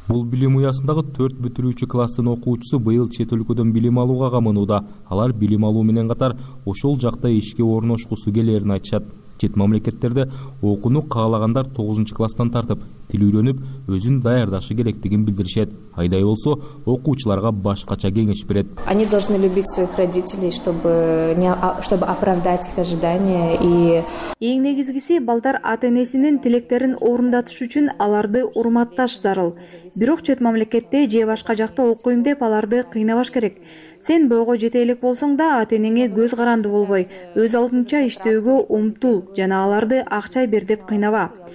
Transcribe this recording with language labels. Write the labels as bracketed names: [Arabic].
[Kyrgyz] Бул билим уясындагы 4 бүтүрүүчү класстын окуучусу быйыл чет өлкөдөн билим алууга каманууда. Алар билим алуу менен катар ошол жакта ишке орношкусу келерин айтышат. Чет мамлекеттерде окууну каалагандар 9-нчу класстан тартып, тил үйрөнүп, өзүн даярдашы керектигин билдиришет. Айдай болсо, окуучуларга башкача кеңеш берет. [Russian] Они должны любить своих родителей, чтобы оправдать их ожидания и [Kyrgyz] эң негизгиси балдар ата-энесинин тилектерин орундатыш үчүн аларды урматташ зарыл. Бирок чет мамлекетте же башка жакта окуйм деп аларды кыйнабаш керек. Сен бойго жете элек болсоң да ата-энеңе көз каранды болбой, өз алдынча иштөөгө умтул жана аларды акчай бер деп кыйнаба.